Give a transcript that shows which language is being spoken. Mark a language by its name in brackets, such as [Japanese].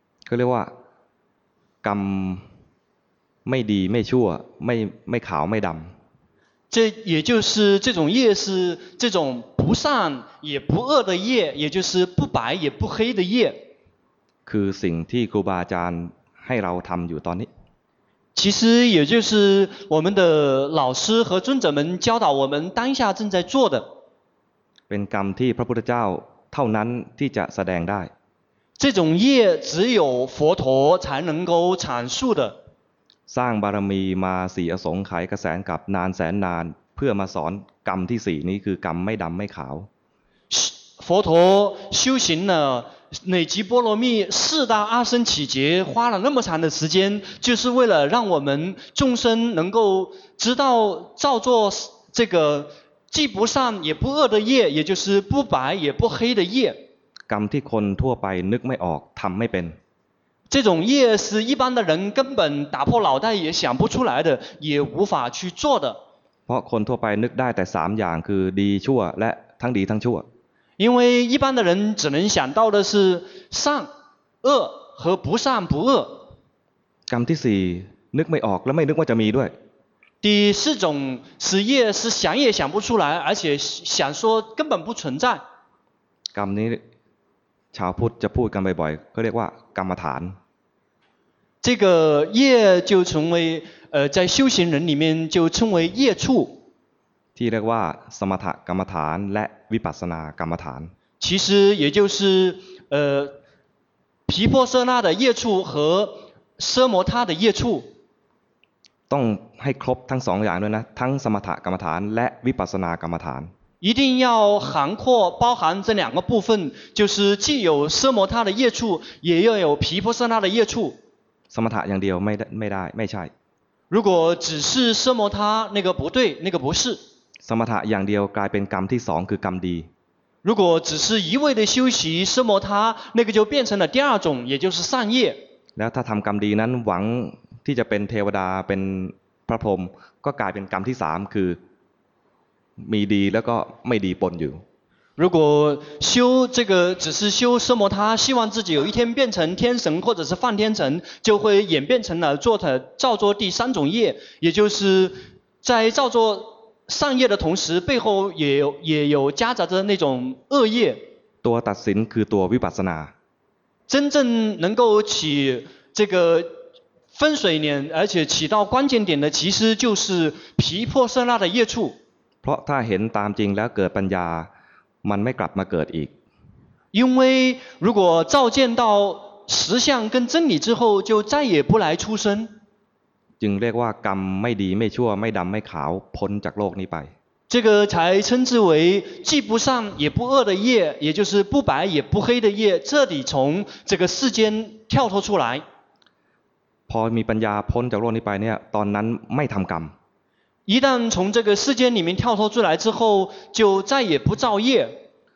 [Thai] เรียกว่ากรรมไม่ดีไม่ชั่วไม่ขาวไม่ดำ [Chinese] 这也就是这种业是这种不善也不恶的业也就是不白也不黑的业 [Thai] คือสิ่งที่ครูบาอาจารย์ให้เราทำอยู่ตอนนี้ [Chinese] 其实也就是我们的老师和尊者们教导我们当下正在做的 [Thai] เป็นกรรมที่พระพุทธเจ้าเท่านั้นที่จะแสดงได้ [Chinese] 这种业只有佛陀才能够阐述的 [Thai] สร้างบารมีมาสี่อสงไขยกระแสกับนานแสนนานเพื่อมาสอนกรรมที่สี่นี้คือกรรมไม่ดำไม่ขาว [Chinese] 佛陀修行了累积波罗蜜四大阿僧祇劫花了那么长的时间就是为了让我们众生能够知道造作这个既不善也不恶的业也就是不白也不黑的业 [Thai] กรรมที่คนทั่วไปนึกไม่ออกทำไม่เป็น [Chinese] 这种业是一般的人根本打破脑袋也想不出来的也无法去做的 [Thai] เพราะคนทั่วไปนึกได้แต่สามอย่างคือดีชั่วและทั้งดีทั้งชั่ว [Chinese] 因为一般的人只能想到的是善恶和不善不恶 [Thai] กรรมที่สี่นึกไม่ออกและไม่นึกว่าจะมีด้วย [Chinese] 第四种是业是想也想不出来而且想说根本不存在 [Thai] กรรมนี้ชาวพุทธจะพูดกันบ่อยๆก็เรียกว่ากรรมฐาน [Chinese] 这个业就成为在修行人里面就称为业处 [Thai] ที่เรียกว่าสมถกรรมฐานและวิปัสสนากรรมฐาน [Chinese] 其实也就是毗婆舍那的业处和奢摩他的业处 [Thai] ต้องให้ครบทั้งสองอย่างด้วยนะทั้งสมถกรรมฐานและวิปัสสนากรรมฐาน [Chinese] 一定要涵括包含这两个部分就是既有奢摩他的业处也要有毗婆舍那的业处 [Thai] สมถะอย่างเดียวไม่ได้ไม่ใช่ [Chinese] 如果只是奢摩他那个不对那个不是 [Thai] สมถะอย่างเดียวกลายเป็นกรรมที่สองคือกรรมดี [Chinese] 如果只是一味的修习奢摩他那个就变成了第二种也就是善业 [Thai] แล้วถ้าทำกรรมดีนั้นหวังที่จะเป็นเทวดาเป็นพระพรหมก็กลายเป็นกรรมที่สามคือมีดีแล้วก็ไม่ดีปนอยู่ [Chinese] 如果修这个只是修奢摩他希望自己有一天变成天神或者是梵天神就会演变成了做的造作第三种业也就是在造作善业的同时背后也有夹杂着那种恶业 [Thai] ตัวตัดสินคือตัววิปัสสนา [Chinese] 真正能够起这个分水点而且起到关键点的其实就是毗婆舍那的业处 [Thai] เพราะถ้าเห็นตามจริงแล้วเกิดปัญญามันไม่กลับมาเกิดอีก [Chinese] 因为如果照见到实相跟真理之后就再也不来出生 [Thai] จึงเรียกว่ากรรมไม่ดีไม่ชั่วไม่ดำไม่ขาวพ้นจากโลกนี้ไป [Chinese] 这个才称之为既不善也不恶的业也就是不白也不黑的业彻底从这个世间跳脱出来 [Thai] พอมีปัญญาพ้นจากโลกนี้ไปเนี่ยตอนนั้นไม่ทำกรรม [Chinese] 一旦从这个世间里面跳脱出来之后就再也不造业